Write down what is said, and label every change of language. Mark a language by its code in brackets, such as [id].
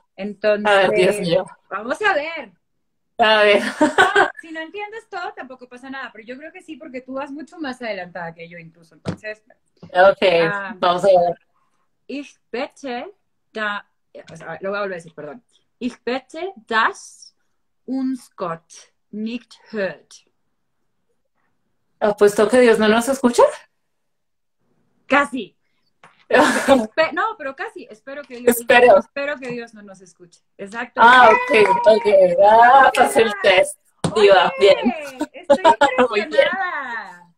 [es] Entonces, a ver, Dios mío. Vamos a ver. A ver. Si no entiendes todo, tampoco pasa nada. Pero yo creo que sí, porque tú vas mucho más adelantada que yo incluso. Entonces, ok, vamos a ver. [de] Ich bete da... [es] O sea, lo voy a volver a decir, perdón. [de] Ich bete, dass uns Gott nicht hört. [es] ¿Apuesto que Dios no nos escucha? Casi. No, pero casi. Espero que Dios, espero. Espero que Dios no nos escuche. Exacto. Ah, ok, ok. Ah, pasé el test. Diva, bien. Estoy impresionada.